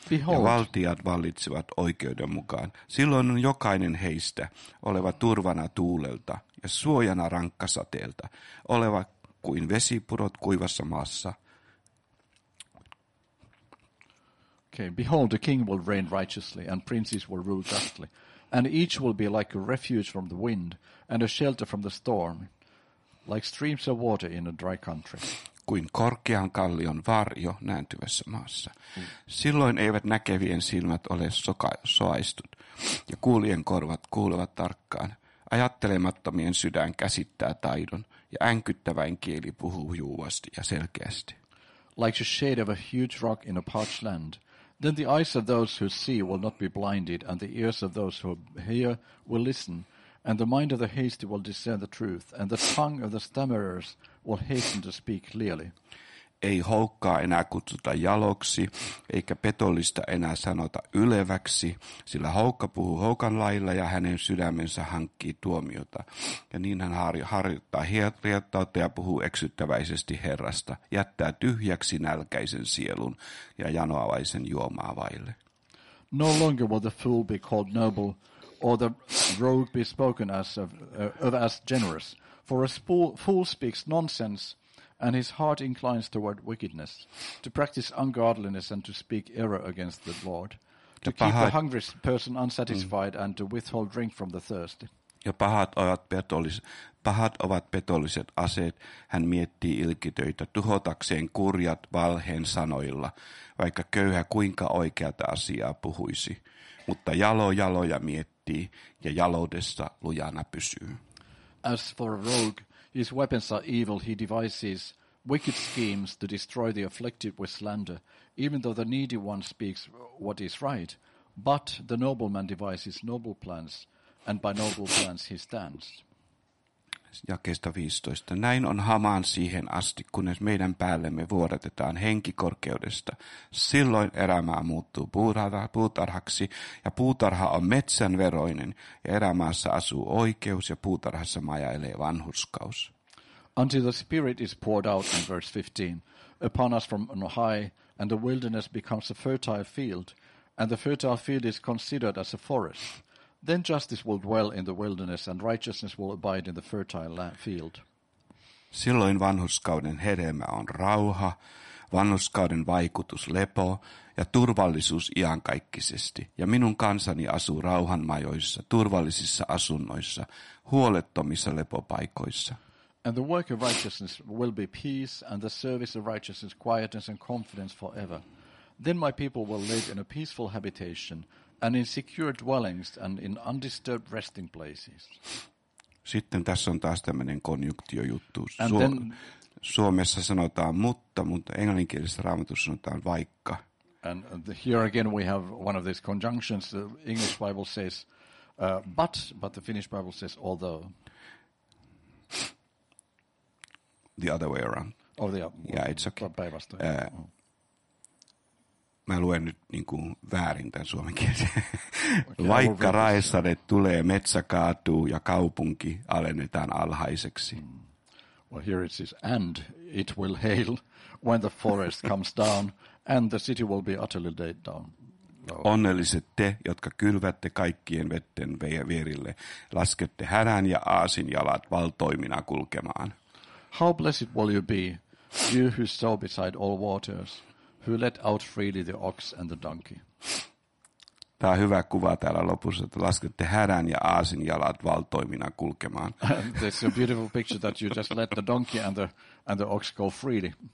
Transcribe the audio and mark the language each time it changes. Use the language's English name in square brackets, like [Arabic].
[English] Behold. [Finnish] Ja valtiat vallitsevat oikeuden mukaan. Silloin on jokainen heistä oleva turvana tuulelta ja suojana rankkasateelta, oleva kuin vesipurot kuivassa maassa. [English] Okay, behold, the king will reign righteously and princes will rule justly. And each will be like a refuge from the wind and a shelter from the storm. Like streams of water in a dry country. [Finnish] Kuin korkean kallion varjo nääntyvässä maassa. Silloin eivät näkevien silmät ole soaistut, ja kuulien korvat kuulevat tarkkaan. Ajattelemattomien sydän käsittää taidon, ja änkyttäväin kieli puhuu juuvasti ja selkeästi. [English] Like the shade of a huge rock in a parched land. Then the eyes of those who see will not be blinded, and the ears of those who hear will listen. And the mind of the hasty will discern the truth, and the tongue of the stammerers will hasten to speak clearly. [Finnish] ei houkkaa enää kutsuta jaloksi, eikä petollista enää sanota yleväksi, sillä houkka puhuu houkan lailla ja hänen sydämensä hankkii tuomiota. Ja niin hän harjoittaa hietoutta ja puhuu eksyttäväisesti Herrasta, jättää tyhjäksi nälkäisen sielun ja janoavaisen juomaa vaille. [English] No longer will the fool be called noble, or the rogue be spoken as generous, for a fool speaks nonsense, and his heart inclines toward wickedness, to practice ungodliness and to speak error against the Lord, to keep the hungry person unsatisfied and to withhold drink from the thirsty. [Finnish] Ja pahat ovat petolliset aseet, hän miettii ilkitöitä tuhotakseen kurjat valheen sanoilla, vaikka köyhä kuinka oikeata asiaa puhuisi. Mutta jaloja miettii, ja jaloudessa lujana pysyy. [English] As for a rogue, his weapons are evil, he devises wicked schemes to destroy the afflicted with slander, even though the needy one speaks what is right. But the nobleman devises noble plans, and by noble plans he stands. [Finnish] Jakeesta 15. Näin on Haman siihen asti, kunnes meidän päällemme vuodatetaan henki korkeudesta. Silloin erämaa muuttuu puutarhaksi, ja puutarha on metsän veroinen, ja erämaassa asuu oikeus, ja puutarhassa majailee vanhurskaus. [English] Until the spirit is poured out, in verse 15, upon us from on high, and the wilderness becomes a fertile field, and the fertile field is considered as a forest. Then justice will dwell in the wilderness and righteousness will abide in the fertile field. [Finnish] Silloin vanhurskauden hedelmä on rauha, vanhurskauden vaikutus lepo ja turvallisuus iankaikkisesti. Ja minun kansani asuu rauhanmajoissa, turvallisissa asunnoissa, huolettomissa lepopaikoissa. [English] And the work of righteousness will be peace and the service of righteousness quietness and confidence forever. Then my people will live in a peaceful habitation and in secure dwellings and in undisturbed resting places. [Finnish] Sitten tässä on taas tämmöinen konjunktio juttu. Suomessa sanotaan mutta englanninkielisessä raamatussa sanotaan vaikka. [English] And here again we have one of these conjunctions. The English Bible says but the Finnish Bible says although. The other way around. Oh, it's okay. [Finnish] Päinvastoin. Mä luen nyt niin kuin väärin tämän suomen kielen. Okay, vaikka raesade tulee, metsä kaatuu ja kaupunki alennetaan alhaiseksi. [English] Well, here it says, and it will hail when the forest comes down and the city will be utterly laid down. [Finnish] Onnelliset te, jotka kylvätte kaikkien vetten vierille, laskette hädän ja aasin jalat valtoimina kulkemaan. [English] How blessed will you be, you who sow beside all waters, who let out freely the ox and the donkey. [Finnish] Tämä on hyvä kuva täällä lopussa, että laskette härän ja aasin jalat valtoimina kulkemaan. [English] It's a beautiful picture that you just let the donkey and the ox go freely.